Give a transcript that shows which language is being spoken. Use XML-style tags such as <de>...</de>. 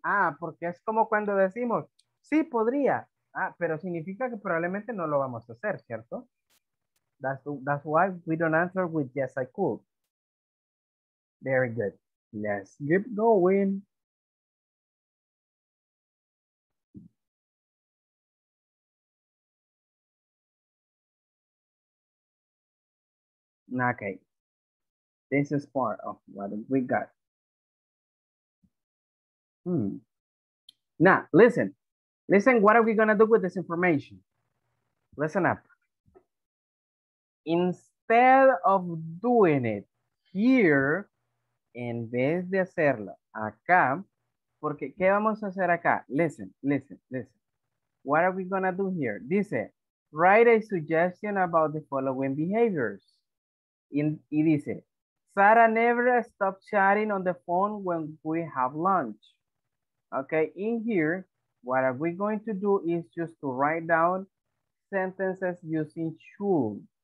<es>Ah, porque es como cuando decimos, sí, podría. Ah, pero significa que probablemente no lo vamos a hacer, ¿cierto?</es> <en>That's why we don't answer with yes, I could. Very good. Let's keep going. Okay. This is part of what we got. Now, listen. Listen, what are we going to do with this information? Listen up. Instead of doing it here,</en> <es>en vez de hacerlo acá, porque ¿qué vamos a hacer acá?</es> <en>Listen, listen, listen. What are we going to do here?</en> <es>Dice,</es> <en>write a suggestion about the following behaviors.</en> <es>Y dice,</es> <en>Sara never stops chatting on the phone when we have lunch. Okay, in here, what are we going to do is just to write down sentences using should.</en>